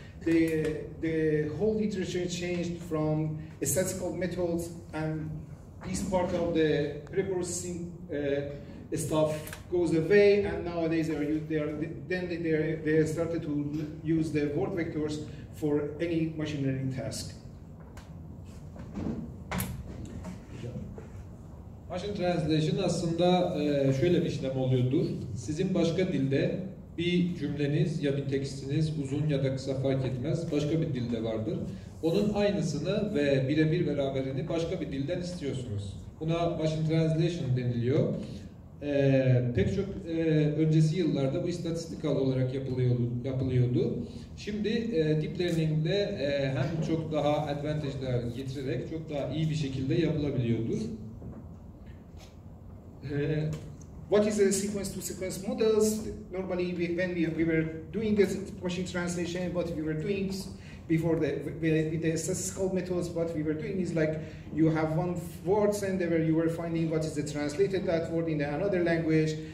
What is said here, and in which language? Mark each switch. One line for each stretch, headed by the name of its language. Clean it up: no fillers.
English: the whole literature changed from statistical methods, and this part of the preprocessing stuff goes away, and nowadays they started to use the word vectors for any machine learning task.
Turkish: Machine translation aslında şöyle bir işlem oluyordur. Sizin başka dilde bir cümleniz ya bir tekstiniz uzun ya da kısa fark etmez başka bir dilde vardır. Onun aynısını ve birebir beraberini başka bir dilden istiyorsunuz. Buna machine translation deniliyor. Pek çok öncesi yıllarda bu istatistikal olarak yapılıyordu. Şimdi deep learning'de hem çok daha avantajlar getirerek çok daha iyi bir şekilde yapılabiliyordur.
English: What is a sequence-to-sequence models? Normally, when we were doing the machine translation, what we were doing before with the statistical methods, what we were doing is like you have one word and there you were finding what is the translated that word in another language.